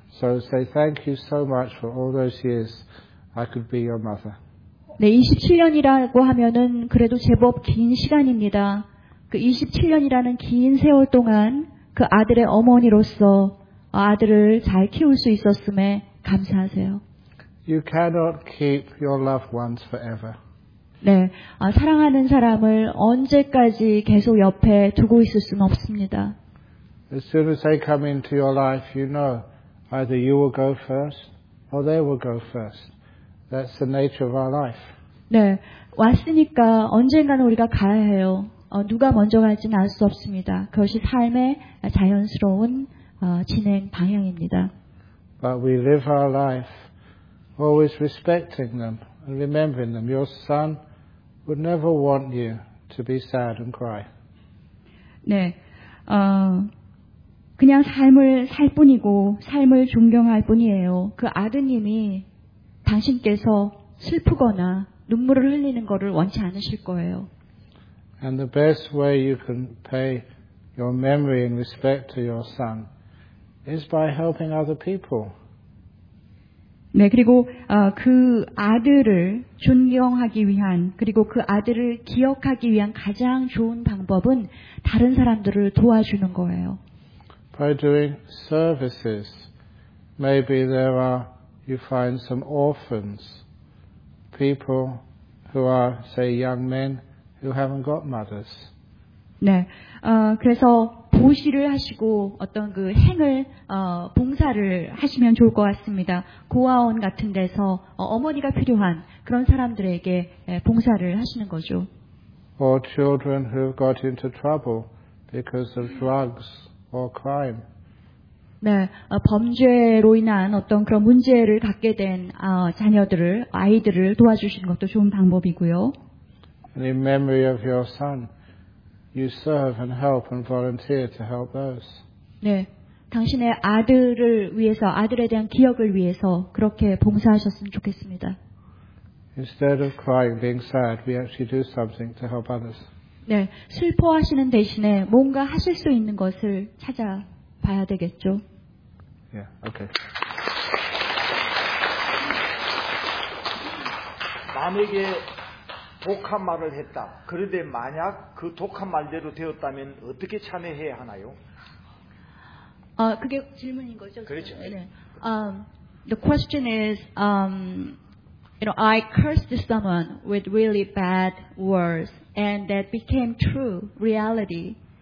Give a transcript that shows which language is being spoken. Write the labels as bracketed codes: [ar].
[en] So say thank you so much for all those years. I could be your mother. [ko] 네, 27년이라고 하면은 그래도 제법 긴 시간입니다. 그 27년이라는 긴 세월 동안 그 아들의 어머니로서 아들을 잘 키울 수 있었음에 감사하세요. [en] You cannot keep your loved ones forever. [ko] 네, 사랑하는 사람을 언제까지 계속 옆에 두고 있을 수는 없습니다. [en] As soon as they come into your life, you know either you will go first or they will go first. That's the nature of our life. [ko] 네, 왔으니까 언젠가는 우리가 가야 해요. 누가 먼저 갈지는 알 수 없습니다. 그것이 삶의 자연스러운 진행 방향입니다. [en] But we live our life always respecting them and remembering them. Your son would never want you to be sad and cry. [ko] 네, 그냥 삶을 살 뿐이고 삶을 존경할 뿐이에요. 그 아드님이 당신께서 슬프거나 눈물을 흘리는 것을 원치 않으실 거예요. [en] And the best way you can pay your memory and respect to your son is by helping other people. [ko] 네, 그리고 그 아들을 존경하기 위한 그리고 그 아들을 기억하기 위한 가장 좋은 방법은 다른 사람들을 도와주는 거예요. [en] By doing services, maybe there are You find some orphans, people who are, say, young men who haven't got mothers. [ko] 네, 그래서 보시를 하시고 어떤 그 행을 봉사를 하시면 좋을 것 같습니다. 고아원 같은 데서 어머니가 필요한 그런 사람들에게 봉사를 하시는 거죠. [en] Or children who've got into trouble because of drugs or crime. [ko] 네, 범죄로 인한 어떤 그런 문제를 갖게 된 자녀들을, 아이들을 도와주시는 것도 좋은 방법이고요. [en] And in memory of your son, you serve and help and volunteer to help those. [ko] 네, 당신의 아들을 위해서, 아들에 대한 기억을 위해서 그렇게 봉사하셨으면 좋겠습니다. [en] Instead of crying, being sad, we actually do something to help others. [ko] 네, 슬퍼하시는 대신에 뭔가 하실 수 있는 것을 찾아봐야 되겠죠. [en] Yeah, okay. [ko] 만약에 독한 말을 했다. 그런데 만약 그 독한 말대로 되었다면 어떻게 참회해야 하나요? 아, 그게 질문인 거죠? 그렇죠. 네. [en] The question is, you know, I cursed someone with really bad words, and that became true reality.